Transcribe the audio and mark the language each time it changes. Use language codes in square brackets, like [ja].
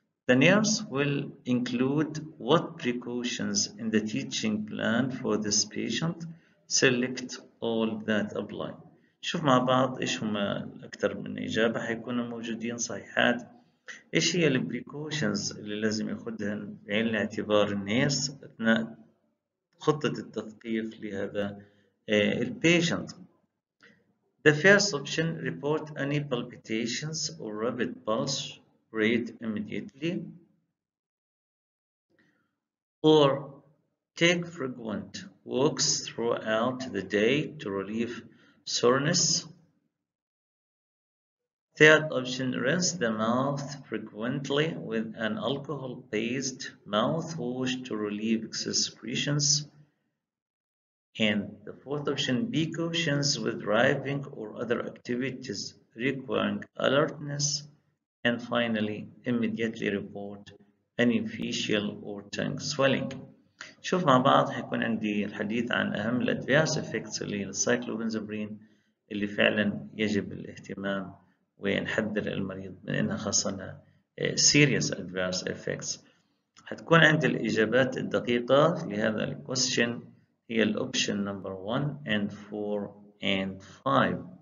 [en] The nurse will include what precautions in the teaching plan for this patient? Select all that apply. [ar] شوف مع بعض ايش هما اكثر من اجابة حيكونوا موجودين صحيحات، ايش هي البريكوشنز اللي لازم ياخدها بعين الاعتبار الناس اثناء خطة التثقيف لهذا البيشنت. [en] The first option, report any palpitations or rapid pulse rate immediately or take frequent walks throughout the day to relieve soreness. Third option, rinse the mouth frequently with an alcohol-based mouthwash to relieve excess secretions. And the fourth option, be cautious with driving or other activities requiring alertness. And finally, immediately report any facial or tongue swelling. [ar] شوف مع بعض حيكون عندي الحديث عن أهم الأدفيرس إفكتس للسايكلوبنزابرين اللي فعلا يجب الاهتمام ونحذر المريض من إنها، خاصة سيريوس أدفيرس إفكتس. حتكون عندي الإجابات الدقيقة لهذا الكويستشن هي الأوبشن نمبر 1 [en] and 4 and 5.